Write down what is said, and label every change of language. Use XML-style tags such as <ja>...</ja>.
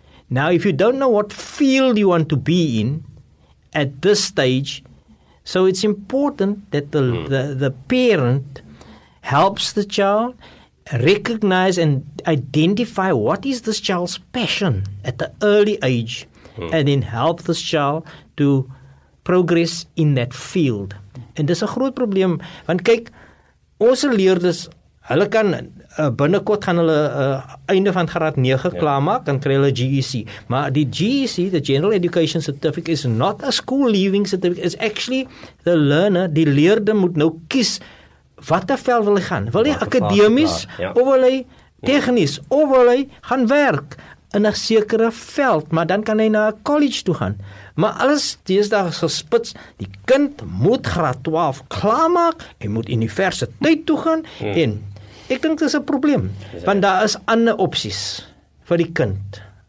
<en>Now, if you don't know what field you want to be in at this stage, so it's important that the parent helps the child recognize and identify what is this child's passion at the early age, and then help this child to progress in that field."</en> <af>En dis 'n groot probleem, want kyk, ons leerders, hulle kan binnekort gaan hulle einde van graad 9 klaarmaak en kry hulle GEC.</af> <en>Maar die GEC, the General Education Certificate, is not a school leaving certificate. It's actually the learner,</en> <af>die leerder moet nou kies watter veld wil hy gaan. Wil hy akademies of wil hy technisch of wil hy gaan werk in 'n sekere veld, maar dan kan hy na 'n college toe gaan. Maar alles deesdag is gespits, die kind moet graad 12 klaarmaak, hy moet universiteit toe gaan, en ek dink dis 'n probleem, want daar is ander opsies vir die kind.</af>